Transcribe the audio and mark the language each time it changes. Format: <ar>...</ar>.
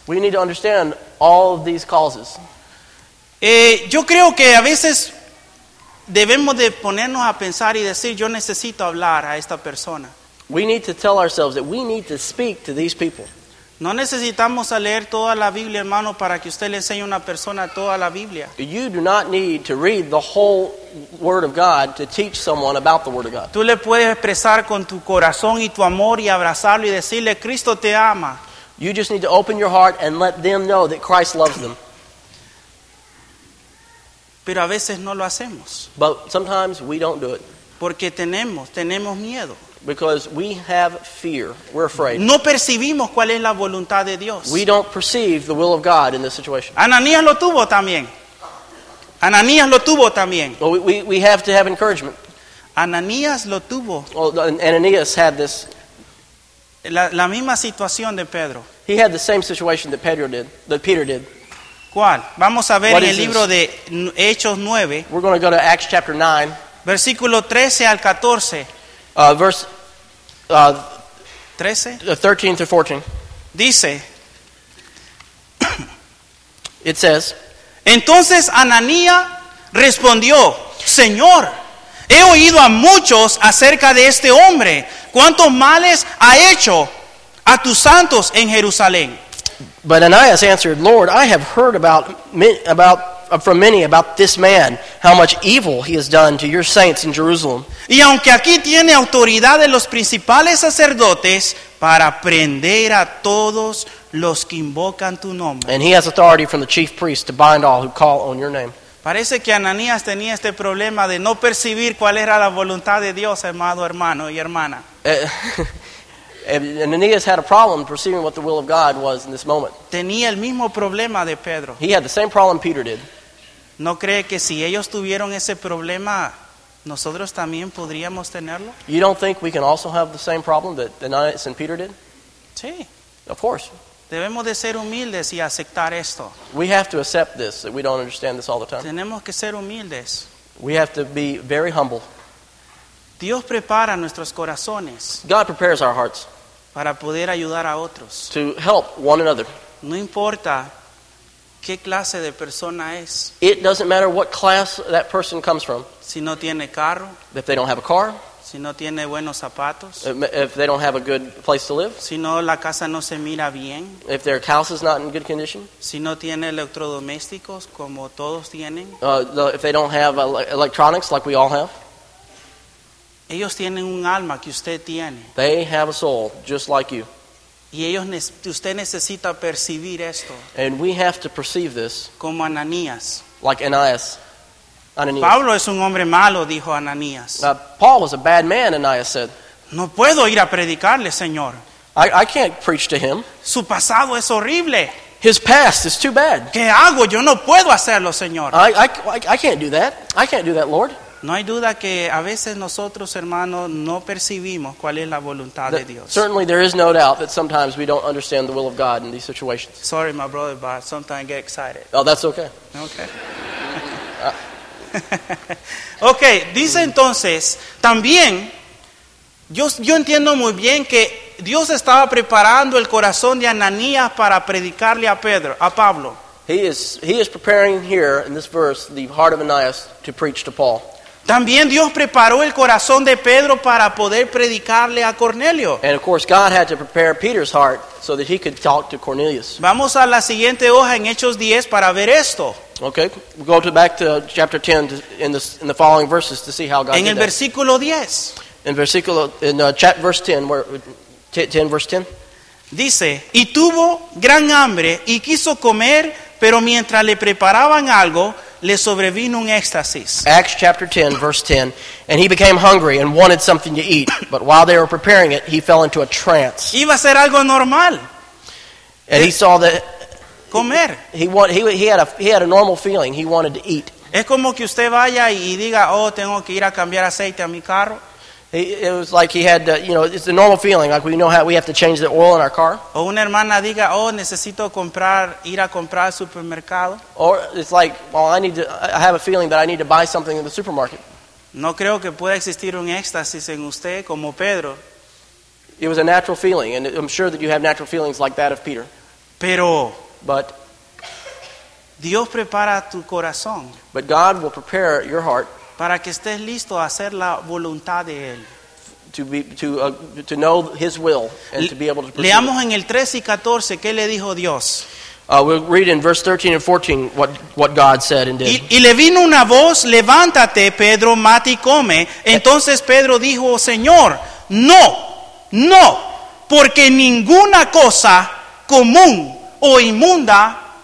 <en>We need to understand all of these causes.</en> <es>Yo creo que a veces debemos de ponernos a pensar y decir, yo necesito hablar a esta persona.</es> <en>We need to tell ourselves that we need to speak to these people.</en> <es>No necesitamos a leer toda la Biblia, hermano, para que usted le enseñe a una persona toda la Biblia.</es> <en>You do not need to read the whole Word of God to teach someone about the Word of God.</en> <es>Tú le puedes expresar con tu corazón y tu amor y abrazarlo y decirle, Cristo te ama.</es> <en>You just need to open your heart and let them know that Christ loves them.</en> <es>Pero a veces no lo hacemos.</es> <en>But sometimes we don't do it.</en> <es>Porque tenemos miedo.</es> <en>Because we have fear. We're afraid.</en> <es>No percibimos cuál es la voluntad de Dios.</es> <en>We don't perceive the will of God in this situation.</en> <es>Ananías lo tuvo también. Ananías lo tuvo también.</es> <en>Well, we have to have encouragement.</en> <es>Ananías lo tuvo.</es> <en>Well, Ananías had this.</en> <es>La misma situación de Pedro.</es> <en>He had the same situation that Pedro did, that Peter did.</en> <es>¿Cuál? Vamos a ver en el libro de Hechos 9.</es> <en>We're going to go to Acts chapter 9.</en> <es>Versículo 13 al 14.</es> <en>Verse 13 to 14.</en> <es>Dice.</es> <en>It says.</en> <es>Entonces Ananías respondió, Señor, he oído a muchos acerca de este hombre. ¿Cuántos males ha hecho a tus santos en Jerusalén?</es> <en>But Ananias answered, Lord, I have heard from many about this man, how much evil he has done to your saints in Jerusalem.</en> <es>Y aunque aquí tiene autoridad de los principales sacerdotes para prender a todos los que invocan tu nombre.</es> <en>And he has authority from the chief priests to bind all who call on your name.</en> <es>Parece que Ananías tenía este problema de no percibir cuál era la voluntad de Dios, amado hermano y hermana.</es> <en>Ananias had a problem perceiving what the will of God was in this moment.</en> <es>Tenía el mismo problema de Pedro.</es> <en>He had the same problem Peter did.</en> <es>¿No cree que si ellos tuvieron ese problema, nosotros también podríamos tenerlo?</es> <en>You don't think we can also have the same problem that Ananias and Peter did?</en> <es>Sí.</es> <en>Of course.</en> <es>Debemos de ser humildes y aceptar esto.</es> <en>We have to accept this, that we don't understand this all the time.</en> <es>Tenemos que ser humildes.</es> <en>We have to be very humble.</en> <es>Dios prepara nuestros corazones.</es> <en>God prepares our hearts.</en> <es>Para poder ayudar a otros.</es> <en>To help one another.</en> <es>No importa qué clase de persona es.</es> <en>It doesn't matter what class that person comes from.</en> <es>Si no tiene carro.</es> <en>If they don't have a car.</en> <es>Si no tiene buenos zapatos.</es> <en>If they don't have a good place to live.</en> <es>Si no la casa no se mira bien.</es> <en>If their house is not in good condition.</en> <es>Si no tiene electrodomésticos como todos tienen.</es> <en>If they don't have electronics like we all have.</en> <es>Ellos tienen un alma que usted tiene.</es> <en>They have a soul just like you.</en> <es>Y ellos usted necesita percibir esto.</es> <en>And we have to perceive this.</en> <es>Como Ananías.</es> <en>Like Ananias. Ananias.</en> <es>Pablo es un hombre malo, dijo Ananías.</es> <en>Paul was a bad man, Ananias said.</en> <es>No puedo ir a predicarle, Señor.</es> <en>I can't preach to him.</en> <es>Su pasado es horrible.</es> <en>His past is too bad.</en> <es>¿Qué hago? Yo no puedo hacerlo, Señor.</es> <en>I can't do that. I can't do that, Lord.</en> <es>No hay duda que a veces nosotros, hermanos, no percibimos cuál es la voluntad de Dios.</es> <en>Certainly there is no doubt that sometimes we don't understand the will of God in these situations. Sorry, my brother, but sometimes I get excited. Oh, that's okay. Okay.</en> <es>Okay, dice entonces, también, yo entiendo muy bien que Dios estaba preparando el corazón de Ananías para predicarle a Pablo.</es> <en>He is preparing here, in this verse, the heart of Ananias to preach to Paul.</en> <es>También Dios preparó el corazón de Pedro para poder predicarle a Cornelio.</es> <en>And of course God had to prepare Peter's heart so that he could talk to Cornelius.</en> <es>Vamos a la siguiente hoja en Hechos 10 para ver esto.</es> <en>Okay, we'll go to back to chapter 10 in the following verses to see how God</en> <es>en</es> <en>did</en> <es>el versículo 10.</es> <en>In verse 10.</en> <es>Dice, y tuvo gran hambre y quiso comer, pero mientras le preparaban algo, le sobrevino un éxtasis.</es> <en>Acts chapter 10, verse 10. And he became hungry and wanted something to eat. But while they were preparing it, he fell into a trance.</en> <es>Iba a ser algo normal.</es> <en>And he saw that...</en> <es>Comer.</es> <en>He had a normal feeling. He wanted to eat.</en> <es>Es como que usted vaya y diga, oh, tengo que ir a cambiar aceite a mi carro.</es> <en>It was like he had, you know, it's a normal feeling. Like we know how we have to change the oil in our car.</en> <es>O una hermana diga, oh, necesito comprar, ir a comprar al supermercado.</es> <en>Or it's like, well, I have a feeling that I need to buy something in the supermarket.</en> <es>No creo que pueda existir un éxtasis en usted como Pedro.</es> <en>It was a natural feeling, and I'm sure that you have natural feelings like that of Peter.</en> <es>Pero.</es> <en>But.</en> <es>Dios prepara tu corazón.</es> <en>But God will prepare your heart.</en> <es>Para que estés listo a hacer la voluntad de él.</es> <en>To know his will and to be able to pursue.</en> <es>Leamos en el 13 y 14 qué le dijo Dios.</es> <en>We'll read in verse 13 and 14 what God said and did.</en> <es>Y le vino una voz, levántate, Pedro, mata y come. Entonces Pedro dijo, Señor, no, no, porque ninguna cosa común o inmunda</es>